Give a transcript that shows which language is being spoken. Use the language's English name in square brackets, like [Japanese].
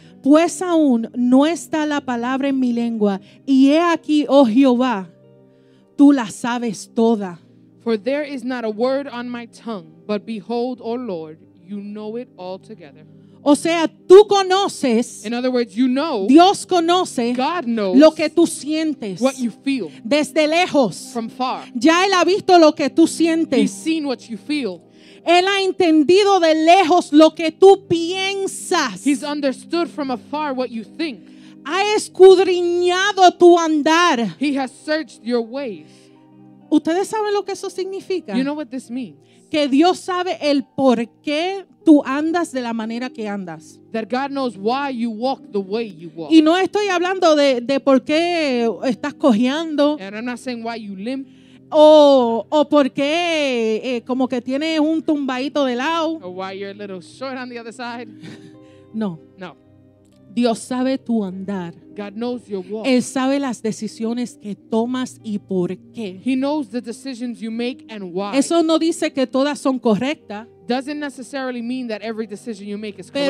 [Spanish] Pues aún no está la palabra en mi lengua, y he aquí, oh Jehová, tú la sabes toda. [English] For there is not a word on my tongue, but behold, oh Lord, you know it altogether. [Spanish] O sea, tú conoces. [English] In other words, you know. [Spanish] Dios conoce. [English] God knows. [Spanish] Lo que tú sientes. [English] What you feel. [Spanish] Desde lejos. [English] From far. [Spanish] Ya él ha visto lo que tú sientes. [English] He's seen what you feel. [Spanish] Él ha entendido de lejos lo que tú piensas. [English] He's understood from afar what you think. [Spanish] Ha escudriñado tu andar. [English] He has searched your ways. [Spanish] ¿Ustedes saben lo que eso significa? [English] You know what this means? [Spanish] Que Dios sabe el por qué tú andas de la manera que andas. [English] That God knows why you walk the way you walk. [Spanish] Y no estoy hablando de por qué estás cojeando. [English] And I'm not saying why you limp. [Spanish] O por qué como que tienes un tumbadito de lado. [English] Or why you're a little short on the other side. [Spanish] No. [English] No. [Spanish] Dios sabe tu andar. [English] God knows your walk. [Spanish] Él sabe las decisiones que tomas y por qué. [English] He knows the decisions you make and why. [Spanish] Eso no dice que todas son correctas. [English] Doesn't necessarily mean that every decision you make is correct.